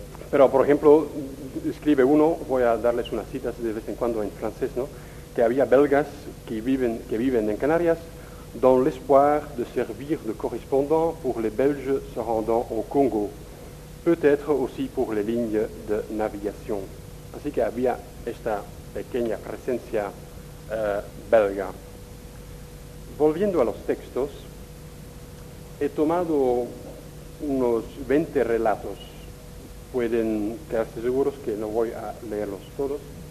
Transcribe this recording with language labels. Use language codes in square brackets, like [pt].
[es] Pero, por ejemplo, escribe uno, voy a darles unas citas de vez en cuando en francés, ¿no? Que había belgas que viven en Canarias, [fr] dans l'espoir de servir de correspondant pour les Belges se rendant au Congo, peut-être aussi pour les lignes de navigation. [es] Así que había esta pequeña presencia belga. Volviendo a los textos, he tomado unos 20 relatos. Pueden quedarse seguros que no voy a leerlos todos.